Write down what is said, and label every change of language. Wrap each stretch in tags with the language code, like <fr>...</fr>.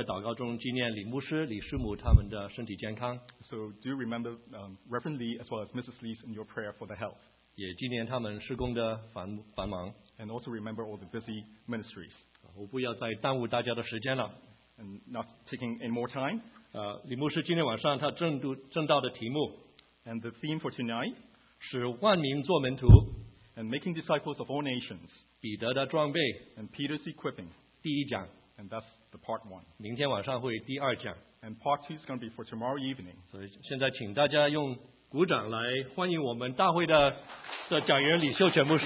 <zh>所以请大家在祷告中纪念李牧师、李师母他们的身体健康。</zh> <en>So do remember Reverend Lee as well as Mrs. Lee in your prayer for the health.</en> <zh>也纪念他们施工的繁忙。</zh> <en>And also remember all the busy ministries.</en> <zh>我不要再耽误大家的时间了。</zh> <en>And not taking any more time.</en> <zh>李牧师今天晚上他正道的题目,</zh> <en>and the theme for tonight,</en> <zh>使万民做门徒,</zh> <en>and making disciples of all nations,</en> <zh>彼得的装备,</zh> <en>and Peter's equipping,</en> <zh>第一讲,</zh> <en>and that's the part one.</en> <zh>明天晚上会第二讲,</zh> <en>and part two is going to be for tomorrow evening.</en> <zh>所以现在请大家用鼓掌来欢迎我们大会的讲员李秀全牧师。</zh>